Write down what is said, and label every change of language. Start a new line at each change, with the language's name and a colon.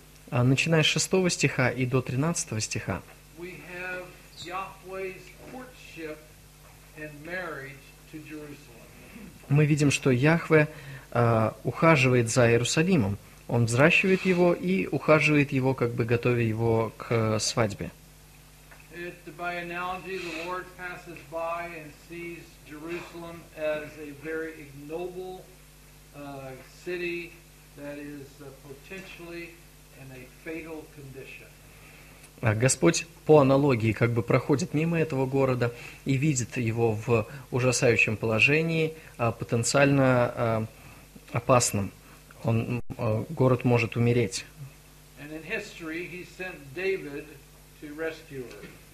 Russian: начиная с 6 стиха и до 13 стиха,
English: we have Yahweh's courtship and marriage to Jerusalem.
Russian: Мы видим, что Яхве ухаживает за Иерусалимом. Он взращивает его и ухаживает его, как бы готовя его к свадьбе.
English: By analogy, the Lord passes by and sees Jerusalem as a very ignoble city that is potentially in a fatal condition.
Russian: Господь по аналогии как бы проходит мимо этого города и видит его в ужасающем положении, потенциально опасным. Он, город может умереть.
English: And in history, he sent David to rescue her.